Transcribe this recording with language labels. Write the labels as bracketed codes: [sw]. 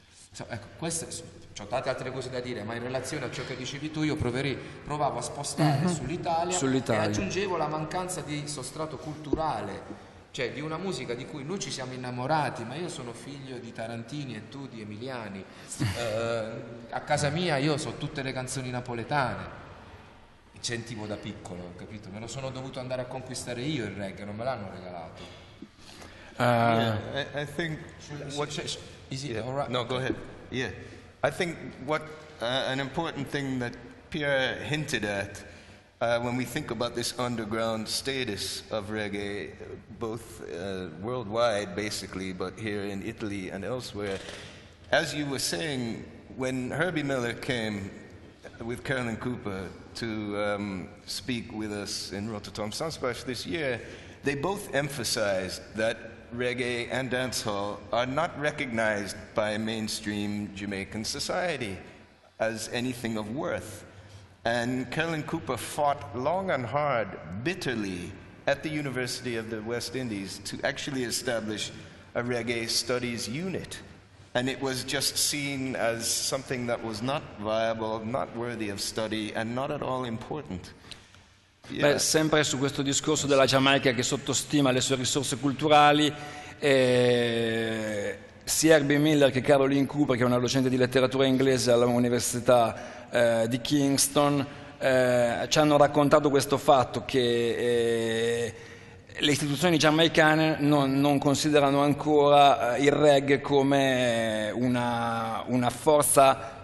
[it] insomma, ecco, queste, c'ho tante altre cose da dire, ma in relazione a ciò che dicevi tu, io provavo a spostare sull'Italia e aggiungevo la mancanza di sostrato culturale, cioè di una musica di cui noi ci siamo innamorati, ma io sono figlio di Tarantini e tu di Emiliani, a casa mia io so tutte le canzoni napoletane, sentivo da piccolo, capito? Me lo sono dovuto andare a conquistare io il reggae, non me l'hanno regalato. [en] I think what is it, yeah, all right? No, go ahead. Yeah, I think what an important thing that Pierre hinted at when we think about this underground status of reggae, both worldwide basically, but here in Italy and elsewhere, as you were saying, when Herbie Miller came with Carolyn Cooper to speak with us in Rototom Sunsplash this year, they both emphasized that reggae and dancehall are not recognized by mainstream Jamaican society as anything of worth. And Carolyn Cooper fought long and hard, bitterly, at the University of the West Indies to actually establish a reggae studies unit. And it was just seen as something that was not viable, not worthy of study, and not at all important. Yeah. [it] Beh, sempre su questo discorso della Giamaica che sottostima le sue risorse culturali, sia Herbie Miller che Caroline Cooper, che è una docente di letteratura inglese all'Università di Kingston, ci hanno raccontato questo fatto, che le istituzioni giamaicane non considerano ancora il reggae come una forza